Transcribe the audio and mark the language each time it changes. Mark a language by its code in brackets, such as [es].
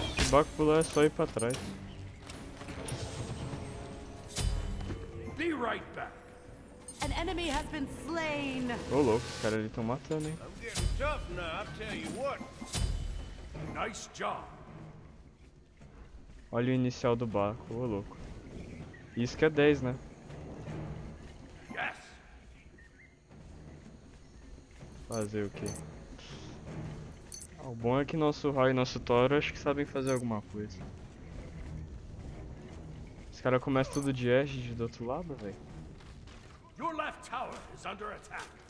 [pt] Baco pular é só ir pra trás. [en] Be right back. An enemy has been slain. [pt] Ô louco, os caras ali estão matando, hein? [en] I'm getting tough now, I'll tell you what. Nice job. [pt] Olha o inicial do barco, ô louco. Isso que é 10, né? [en] Yes. [pt] Fazer o quê? O bom é que nosso raio e nosso toro acho que sabem fazer alguma coisa. Esse cara começa tudo de Edge do outro lado, velho. [en] Your left tower is under attack.